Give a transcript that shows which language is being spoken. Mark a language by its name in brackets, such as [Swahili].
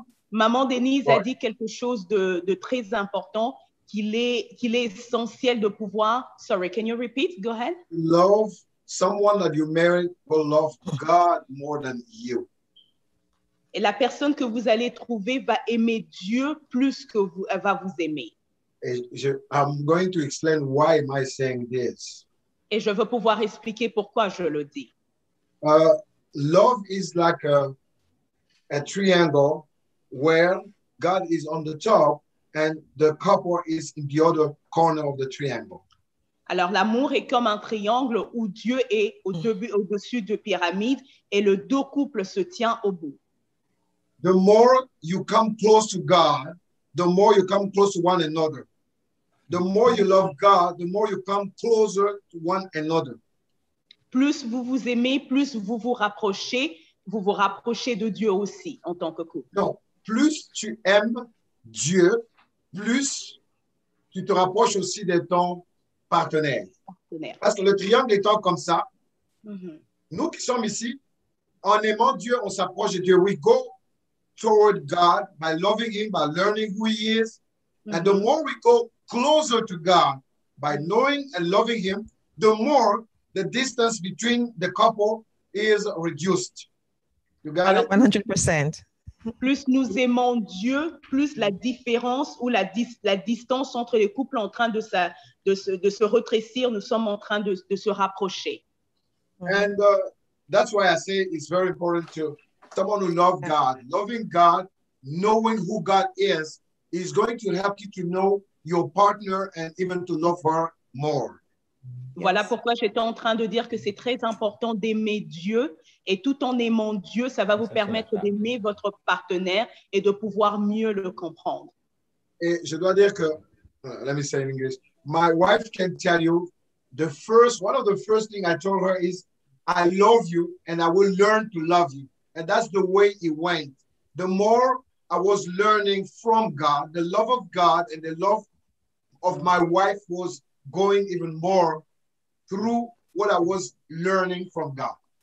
[French] Maman Denise a dit quelque chose de très important, qu'il est essentiel de pouvoir... [English] Sorry, can you repeat? Go ahead. Love someone that you married will love God more than you. [French] Et la personne que vous allez trouver va aimer Dieu plus que vous, elle va vous aimer. [English] I'm going to explain why am I saying this. [French] Et je veux pouvoir expliquer pourquoi je le dis. [English] Love is like a triangle where God is on the top and the couple is in the other corner of the triangle. [French] Alors, l'amour est comme un triangle où Dieu est au-dessus de pyramide et le deux couples se tient au bout. [English] The more you come close to God, the more you come close to one another. The more you love God, the more you come closer to one another. [French] Plus vous vous aimez, plus vous vous rapprochez de Dieu aussi en tant que couple. Non, plus tu aimes Dieu, plus tu te rapproches aussi de ton partenaire. Parce que le triangle étant comme ça, nous qui sommes ici, en aimant Dieu, on s'approche de Dieu. [English] We go toward God by loving Him, by learning who He is. And the more we go closer to God by knowing and loving Him, the more the distance between the couple is reduced. You got it? 100%. [French] Plus nous aimons Dieu, plus la différence ou la distance entre les couples est en train de se rétrécir, nous sommes en train de se rapprocher. [English] And that's why I say it's very important to someone who loves God. Loving God, knowing who God is going to help you to know your partner and even to love her more. [French] Voilà pourquoi j'étais en train de dire que c'est très important d'aimer Dieu. Et tout en aimant Dieu, ça va vous permettre d'aimer votre partenaire et de pouvoir mieux le comprendre. Et je dois dire que, [English] let me say in English, my wife can tell you, one of the first things I told her is, I love you and I will learn to love you. And that's the way it went. The more I was learning from God, the love of God and the love of my wife was going even more through what I was learning from God.